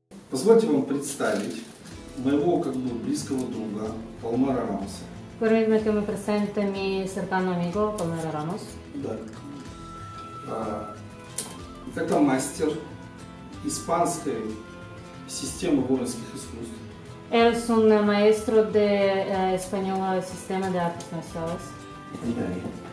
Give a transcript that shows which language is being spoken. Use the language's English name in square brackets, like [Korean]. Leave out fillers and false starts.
[Russian] Позвольте вам представить моего как бы близкого друга Палмера Рамоса. [Spanish] Permítame que me presente mi cercano amigo Palmer Ramos. [Russian] Да. Это мастер испанской системы воинских искусств. [Spanish] Él es un maestro de española sistema de artes marciales.